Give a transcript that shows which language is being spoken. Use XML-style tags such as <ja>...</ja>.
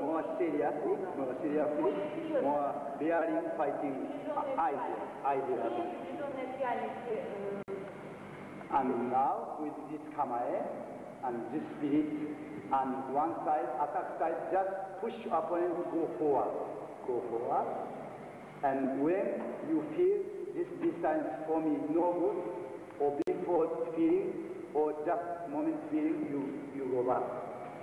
<ru>того,</ru> <en>more seriously, more seriously, more really fighting idea.</en> <ru>Идея, приближенная к реальности.</ru> <en>And now, with this kamae, and this spirit, and one side, attack side, just push opponent, go forward. Go forward. And when you feel this distance for me no good, or before feeling, or just moment feeling, you go back.</en>